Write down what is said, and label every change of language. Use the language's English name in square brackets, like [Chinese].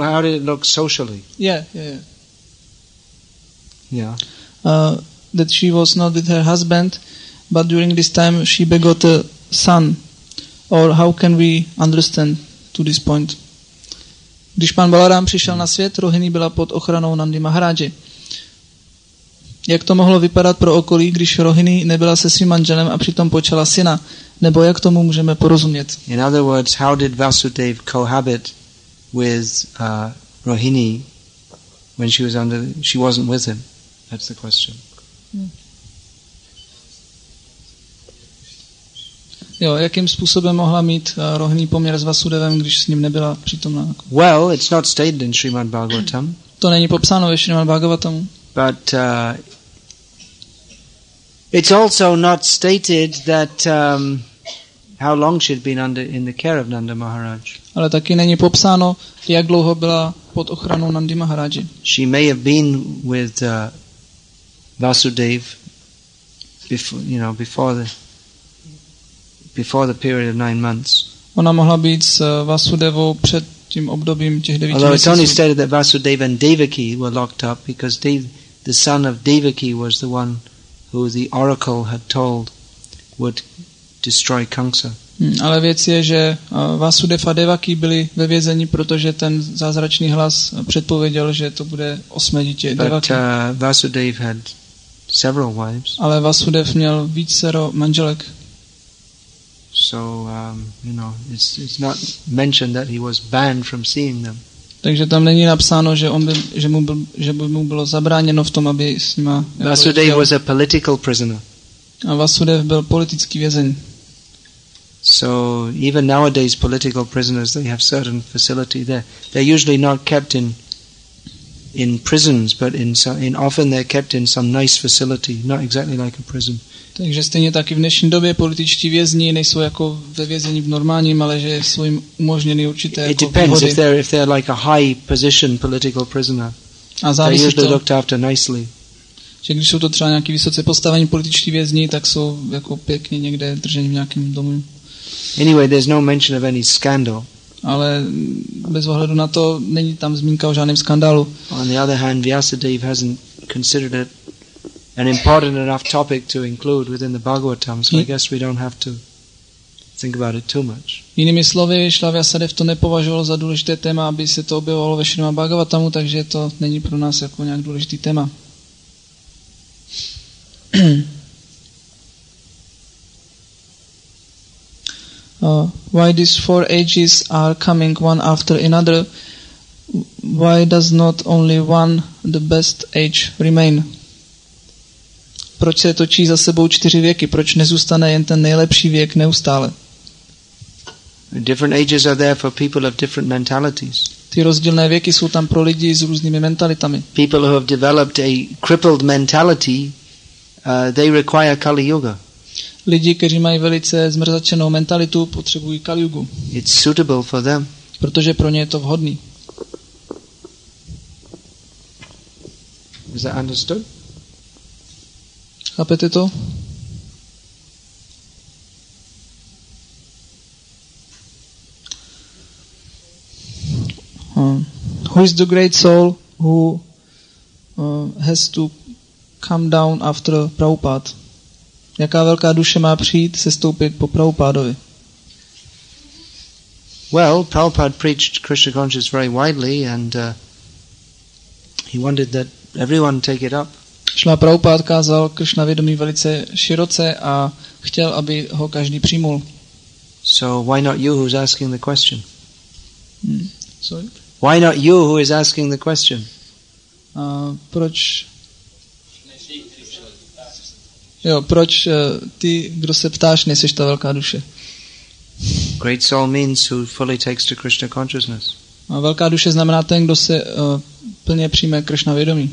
[English] how did it look socially? That she was not with her husband, but during this time she begot a son. Or how can we understand to this point? [Czech] Když pan Balarám přišel na svět, Rohini byla pod ochranou Nandy Maharadži. Jak to mohlo vypadat pro okolí, když Rohini nebyla se svým manželem a přitom počala syna? Nebo jak tomu můžeme porozumět? [English] In other words, how did Vasudev cohabit with Rohini when she was under, she wasn't with him? That's the question. [Czech] Jo, jakým způsobem mohla mít Rohini poměr s Vasudevem, když s ním nebyla přítomná? [English] Well, it's not stated in Srimad Bhagavatam. [Czech] To není popsáno ve Srimad Bhagavatam. [English] But it's also not stated that how long she'd been under in the care of Nanda Maharaj. [Czech] Ale taky není popsáno, jak dlouho byla pod ochranou Nandy Maharaji. [English] She may have been with Vasudev before, you know, before the period of 9 months. [Czech] Ona mohla být s Vasudevou před tím obdobím těch 9 měsíců. [English] Although it's only stated that Vasudev and Devaki were locked up because the son of Devaki was the one who the oracle had told would destroy Kamsa. [Czech] Ale věc je, že Vasudev a Devaki byli ve vězení, protože ten zázračný hlas předpověděl, že to bude osmé dítě Devaki. [English] But Vasudev had several wives. [Czech] Ale Vasudev měl vícero manželek. [English] So you know, it's not mentioned that he was banned from seeing them. [Czech] Takže tam není napsáno, že on by, že by mu bylo zabráněno v tom, aby s nima. [English] Vasudev was a political prisoner. [Czech] A Vasudev byl politický vězeň. [English] So even nowadays political prisoners, they have certain facility there. They're usually not kept in prisons, but in often they're kept in some nice facility, not exactly like a prison. [Czech] Takže stejně tak i v dnešní době političtí vězni nejsou jako ve vězení v normálním, ale že jsou jim umožněny určité výhody. [English] It depends if they're like a high position political prisoner. [Czech] A závisí to. [English] They're looked after nicely. [Czech] Že když jsou to třeba nějaký vysoce postavení političtí vězni, tak jsou jako pěkně někde drženi v nějakém domě. [English] Anyway, there's no mention of any scandal. [Czech] Ale bez ohledu na to není tam zmínka o žádném skandálu. [English] On the other hand, Vyasadeva hasn't considered it an important enough topic to include within the Bhagavatam, so I guess we don't have to think about it too much. [Czech] Jinými slovy, Vyasadeva to nepovažoval za důležité téma, aby se to objevovalo ve Srimad Bhagavatamu, takže to není pro nás jako nějak důležitý téma. [English] Why these four ages are coming one after another? Why does not only one, the best age, remain? [Czech] Proč se točí za sebou čtyři věky? Proč nezůstane jen ten nejlepší věk neustále? [English] Different ages are there for people of different mentalities. [Czech] Ty rozdílné věky jsou tam pro lidi s různými mentalitami. [English] People who have developed a crippled mentality, they require Kali Yuga. [Czech] Lidi, kteří mají velice zmrzačenou mentalitu, potřebují Kaliugu. [English] It's suitable for them. [Czech] Protože pro ně je to vhodný. [English] Is that understood? [Czech] Chápete to? [English] Who is the great soul who has to come down after Prabhupada? [Czech] Jaká velká duše má přijít sestoupit po Prabhupádovi? [English] Well, Prabhupada preached Krishna consciousness very widely and he wanted that everyone take it up. [Czech] Šla Prabhupada kázal Krishna vědomí velice široce a chtěl, aby ho každý přijmul. [English] So why not you who's asking the question? Sorry. Why not you who is asking the question? [Czech] Proč? Jo, proč ty, kdo se ptáš, nejseš ta velká duše? [English] Great soul means who fully takes to Krishna consciousness. [Czech] A velká duše znamená ten, kdo se plně přijme Krishna vědomí.